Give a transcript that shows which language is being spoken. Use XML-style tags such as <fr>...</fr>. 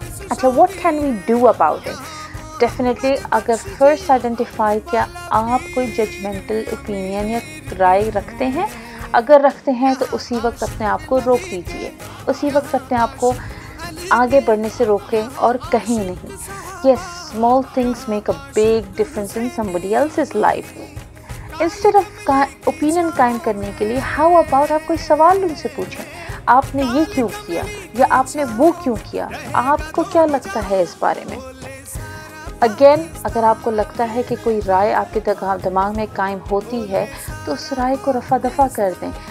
<ur>اچھا،</ur> <en>What can we do about it?</en> <ur>Definitely اگر first identify کیا آپ کوئی ججمنٹل اوپینین یا رائے رکھتے ہیں، اگر رکھتے ہیں تو اسی وقت اپنے آپ کو روک لیجیے، اسی وقت اپنے آپ کو آگے بڑھنے سے روکیں اور کہیں نہیں.</ur> <en>Yes, small things make a big difference in somebody else's life. Instead of opinion</en> <ur>قائم کرنے کے لیے،</ur> <en>how about</en> <ur>آپ کوئی سوال ان سے پوچھیں، آپ نے یہ کیوں کیا یا آپ نے وہ کیوں کیا، آپ کو کیا لگتا ہے اس بارے میں. اگین، اگر آپ کو لگتا ہے کہ کوئی رائے آپ کے دماغ میں قائم ہوتی ہے تو اس رائے کو رفع دفع کر دیں.</ur>